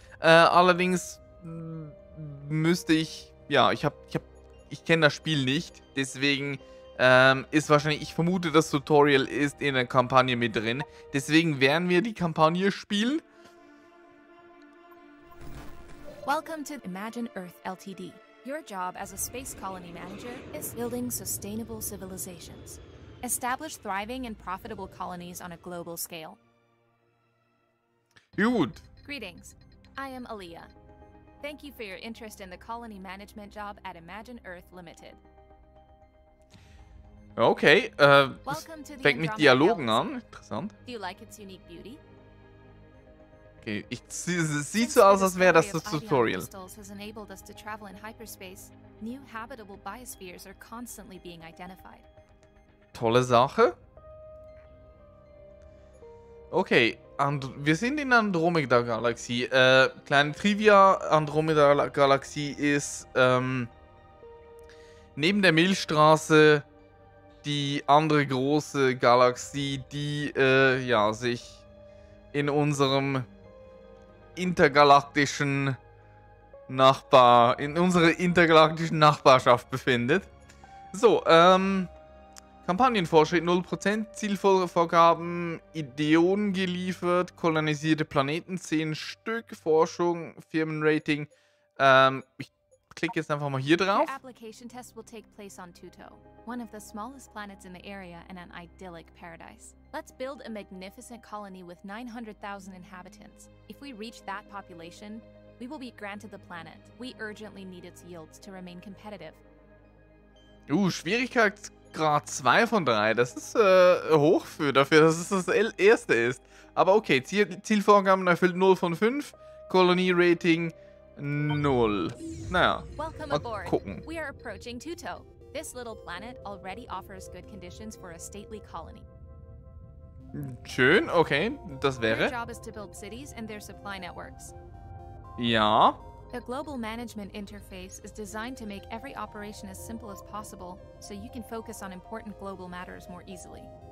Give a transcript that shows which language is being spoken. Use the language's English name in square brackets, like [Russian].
[German] Allerdings müsste ich, ja, ich kenne das Spiel nicht, deswegen ist wahrscheinlich, ich vermute, das Tutorial ist in der Kampagne mit drin. Deswegen werden wir die Kampagne spielen. [English] Welcome to Imagine Earth LTD. Your job as a space colony manager is building sustainable civilizations. Establish thriving and profitable colonies on a global scale. [German] Gut. [English] Greetings. I am Alia. Thank you for your interest in the colony management job at Imagine Earth Limited. [German] Okay, fängt mit Dialogen an. Interessant. [English] Do you like its unique beauty? [German] Okay, ich sieht so aus, als wäre das das Tutorial. [English] Has enabled us to travel in hyperspace. New habitable biospheres are constantly being identified. [German] Tolle Sache. Okay, wir sind in Andromeda-Galaxie. Kleine Trivia, Andromeda-Galaxie ist neben der Milchstraße die andere große Galaxie, die ja, sich in unserem intergalaktischen Nachbar, in unserer intergalaktischen Nachbarschaft befindet. So, Kampagnenfortschritt 0%, Zielvorgaben, Ideen geliefert, kolonisierte Planeten, 10 Stück, Forschung, Firmenrating. Ich klicke jetzt einfach mal hier drauf. [English] Application test will take place on Tuto. One of the smallest planets in the area and an idyllic paradise. Let's build a magnificent colony with 900,000 inhabitants. If we reach that population, we will be granted the planet. We urgently need its yields to remain competitive. [German] Schwierigkeitsgrad 2 von 3. Das ist hoch für dafür, dass es das erste ist. Aber okay, Zielvorgaben erfüllt 0 von 5. Kolonie Rating 0. Naja, [English] welcome [German] mal [English] aboard. [German] Gucken. [English] We are approaching Tuto. This little planet already offers good conditions for a stately colony. [German] Schön, okay, das wäre. [English] Your job is to build cities and their supply networks. [German] Ja. [English] The global management interface is designed to make every operation as simple as possible, so you can focus on important global matters more easily.